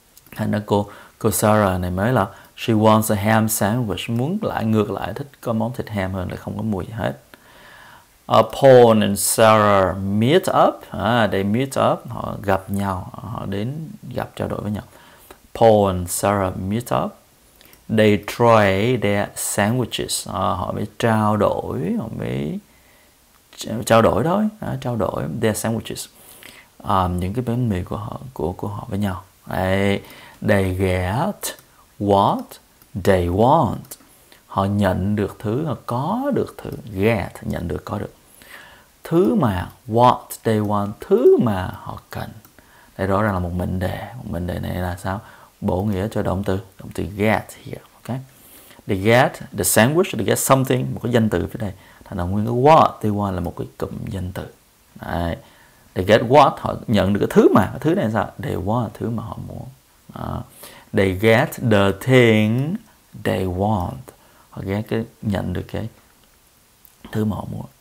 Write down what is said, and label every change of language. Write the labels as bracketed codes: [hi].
[vi] Hay nói cô Sarah này mới là [en] she wants a ham sandwich. [vi] Muốn lại ngược lại thích có món thịt ham hơn là không có mùi hết. [en] Paul and Sarah meet up. [vi] They meet up. Họ gặp nhau. Họ đến gặp trao đổi với nhau. [en] Paul and Sarah meet up. They try their sandwiches. [vi] Họ mới trao đổi. Họ mới trao đổi thôi. Trao đổi [en] their sandwiches. [vi] Những cái bánh mì của họ với nhau. [en] They get what they want. [vi] Họ nhận được thứ. Họ có được thứ. Get. Nhận được. Có được. Thứ mà, [en] what they want, [vi] thứ mà họ cần. Đây rõ ràng là một mệnh đề. Một mệnh đề này là sao? Bổ nghĩa cho động từ. Động từ get here. Okay? [en] They get the sandwich, they get something. [vi] Một cái danh từ phía đây. Thành là nguyên cái [en] what they want [vi] là một cái cụm danh từ. Đấy. [en] They get what, [vi] họ nhận được cái thứ mà. Thứ này là sao? [en] They want, [vi] thứ mà họ muốn. Đó. [en] They get the thing they want. [vi] Họ get cái, nhận được cái thứ mà họ muốn.